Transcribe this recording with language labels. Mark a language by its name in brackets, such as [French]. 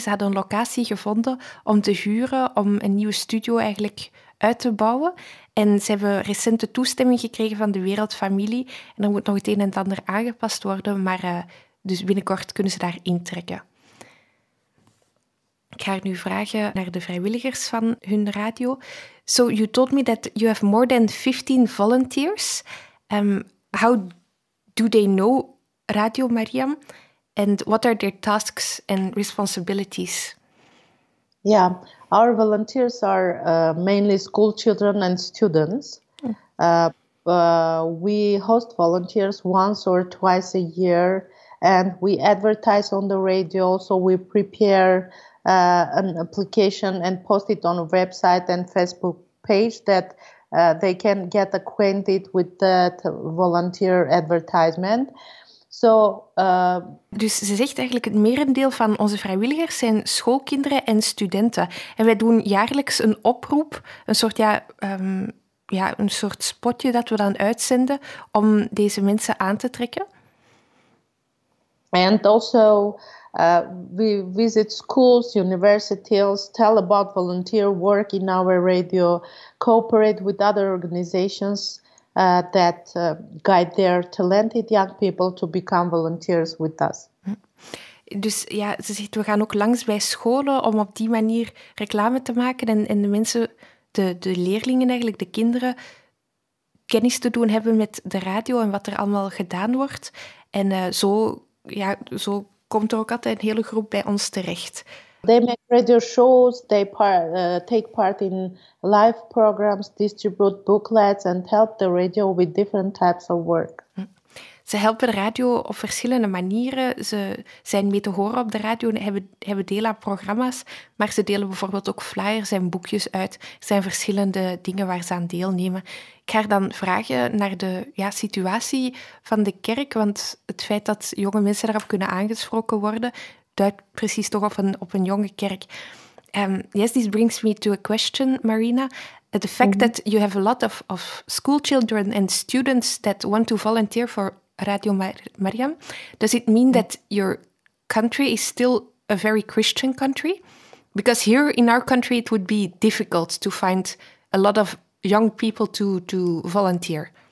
[Dutch] Ze hadden een locatie gevonden om te huren, om een nieuwe studio eigenlijk uit te bouwen. En ze hebben recente toestemming gekregen van de Wereldfamilie. En er moet nog het een en het ander aangepast worden, maar dus binnenkort kunnen ze daar intrekken. Ik ga nu vragen naar de vrijwilligers van hun radio. [English] So you told me that you have more than 15 volunteers. How do they know Radio Mariam? And what are their tasks and responsibilities? Yeah, our volunteers are mainly school children and students. We host volunteers once or twice a year, and we advertise on the radio, so we prepare an application and post it on a website and Facebook page that they can get acquainted with that volunteer advertisement. So, [Dutch] dus ze zegt eigenlijk het merendeel van onze vrijwilligers zijn schoolkinderen en studenten. En wij doen jaarlijks een oproep, een soort spotje dat we dan uitzenden om deze mensen aan te trekken. [English] And also we visit schools, universities, tell about volunteer work in our radio, cooperate with other organizations that guide their talented young people to become volunteers with us. [Dutch] Dus ja, ze zegt, we gaan ook langs bij scholen om op die manier reclame te maken en de mensen, de leerlingen eigenlijk, de kinderen, kennis te doen hebben met de radio en wat er allemaal gedaan wordt. En zo komt er ook altijd een hele groep bij ons terecht. [English] They make radio shows, they take part in live programs, distribute booklets and help the radio with different types of work. [Dutch] Ze helpen de radio op verschillende manieren. Ze zijn mee te horen op de radio en hebben deel aan programma's, maar ze delen bijvoorbeeld ook flyers en boekjes uit. Er zijn verschillende dingen waar ze aan deelnemen. Ik ga dan vragen naar de situatie van de kerk, want het feit dat jonge mensen daarop kunnen aangesproken worden duidt precies toch op een jonge kerk. [English] Yes, this brings me to a question, Marina. The fact that you have a lot of school children and students that want to volunteer for Radio Mariam, does it mean that your country is still a very Christian country? Because here in our country, it would be difficult to find a lot of young people to volunteer.